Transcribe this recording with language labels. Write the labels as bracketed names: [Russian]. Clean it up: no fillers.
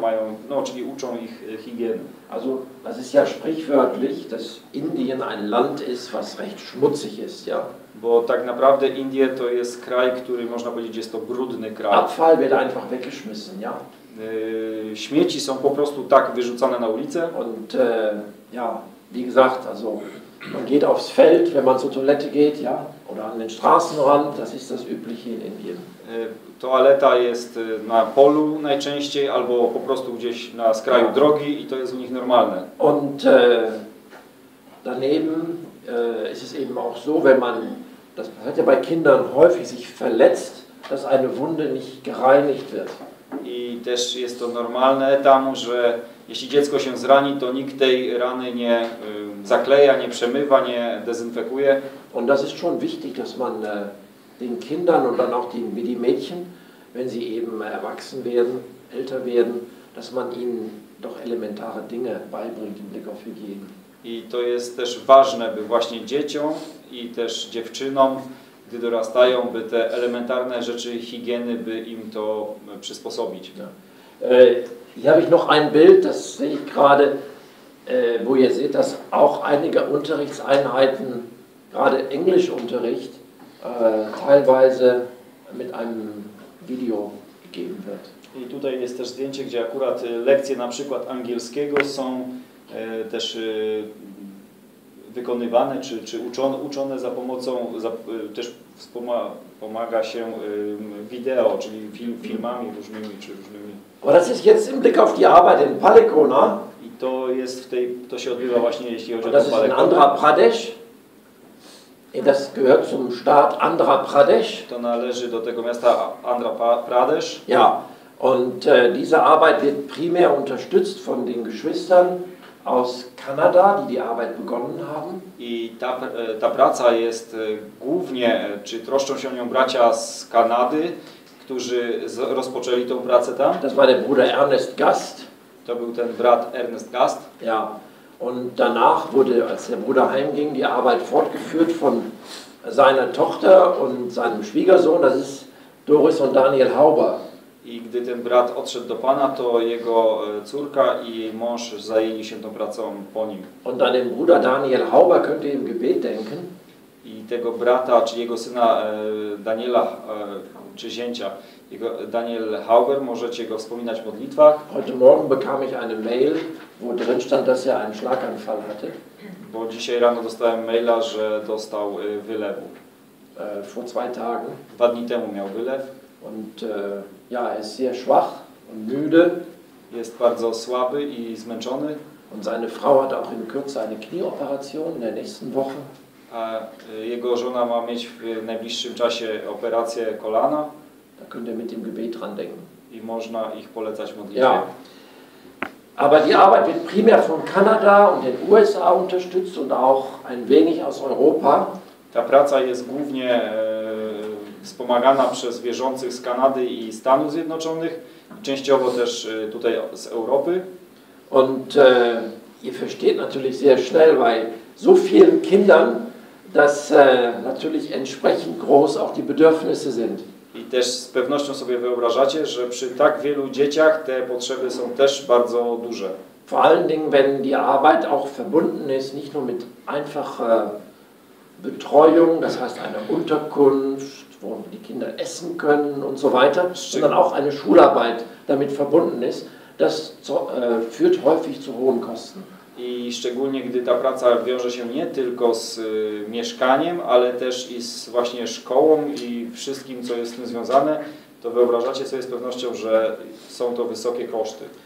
[Polish] mają, no, czyli uczą ich higieny. [German] Also, das ist ja sprichwörtlich, dass Indien ein Land ist, was recht schmutzig ist, ja. [Polish] Bo tak naprawdę Indie to jest kraj, który można powiedzieć, jest to brudny kraj. [German] Abfall wird einfach weggeschmissen, ja. [Polish] Śmieci są po prostu tak wyrzucane na ulicę. [German] Und, ja, wie gesagt, also, man geht aufs Feld, wenn man zur Toilette geht, ja, oder an den Straßenrand, das ist das Übliche in Indien. [Polish] Toaleta jest na polu najczęściej, albo po prostu gdzieś na skraju drogi i to jest u nich normalne. [German] Und daneben ist es eben auch so, wenn man, das passiert ja bei Kindern häufig, sich verletzt, dass eine Wunde nicht gereinigt wird. [Polish] I też jest to normalne tam, że jeśli dziecko się zrani, to nikt tej rany nie zakleja, nie przemywa, nie dezynfekuje. [German] Und das ist schon wichtig, dass man den Kindern und dann auch wie die Mädchen, wenn sie eben erwachsen werden, älter werden, dass man ihnen doch elementare Dinge beibringt im Blick auf Hygiene. [Polish] I to jest też ważne, by właśnie dzieciom i też dziewczynom, gdy dorastają, by te elementarne rzeczy higieny, by im to przysposobić. [German] Ja. Hier habe ich noch ein Bild, das sehe ich gerade, wo ihr seht, dass auch einige Unterrichtseinheiten, gerade Englischunterricht, teilweise mit einem Video gegeben wird. [Polish] I tutaj jest też zdjęcie, gdzie akurat lekcje na przykład angielskiego są też wykonywane, czy uczone za pomocą, też pomaga się wideo, czyli filmami różnymi, czy różnymi. [German] Aber das ist jetzt im Blick auf die Arbeit in Palekona. [Polish] I to jest w tej, to się odbywa właśnie, jeśli chodzi o Palekona. [German] Das ist in Andhra Pradesh. Das gehört zum Staat Andhra Pradesh. [Polish] To należy do tego miasta Andhra Pradesh. [German] Ja, und diese Arbeit wird primär unterstützt von den Geschwistern aus Kanada, die die Arbeit begonnen haben. [Polish] I ta praca jest głównie, czy troszczą się o nią bracia z Kanady, którzy rozpoczęli tą pracę tam. [German] Das war der Bruder Ernest Gast. [Polish] To był ten brat Ernest Gast. [German] Ja. Und danach wurde, als der Bruder heimging, die Arbeit fortgeführt von seiner Tochter und seinem Schwiegersohn, das ist Doris und Daniel Hauber. [Polish] I gdy ten brat odszedł do pana, to jego córka i jej mąż zajęli się tą pracą po nim. [German] Und an den Bruder Daniel Hauber könnt ihr im Gebet denken. [Polish] I tego brata, czy jego syna Daniela, czy zięcia, Daniel Hauber, możecie go wspominać w modlitwach. [German] Heute Morgen bekam ich eine Mail, wo drin stand, dass er einen Schlaganfall hatte. [Polish] Bo dzisiaj rano dostałem maila, że dostał wylewu. [German] Vor zwei Tagen. [Polish] Dwa dni temu miał wylew. [German] Und ja, er ist sehr schwach und müde. [Polish] Jest bardzo słaby i zmęczony. [German] Und seine Frau hat auch in Kürze eine Knieoperation in der nächsten Woche. [Polish] A jego żona ma mieć w najbliższym czasie operację kolana. [German] Da könnt ihr mit dem Gebet dran denken. [Polish] I można ich polecać modlitwie. [German] Ja. Aber die Arbeit wird primär von Kanada und den USA unterstützt und auch ein wenig aus Europa. [Polish] Ta praca jest głównie wspomagana przez wierzących z Kanady i Stanów Zjednoczonych, częściowo też tutaj z Europy. [German] Und ihr versteht natürlich sehr schnell bei so vielen Kindern, dass natürlich entsprechend groß auch die Bedürfnisse sind. [Polish] I też z pewnością sobie wyobrażacie, że przy tak wielu dzieciach te potrzeby są też bardzo duże. [German] Vor allen Dingen, wenn die Arbeit auch verbunden ist, nicht nur mit einfach Betreuung, das heißt eine Unterkunft, wo die Kinder essen können und so weiter, sondern auch eine Schularbeit damit verbunden ist, das führt häufig zu hohen Kosten. [Polish] I szczególnie gdy ta praca wiąże się nie tylko z mieszkaniem, ale też i z właśnie szkołą i wszystkim, co jest z tym związane, to wyobrażacie sobie z pewnością, że są to wysokie koszty.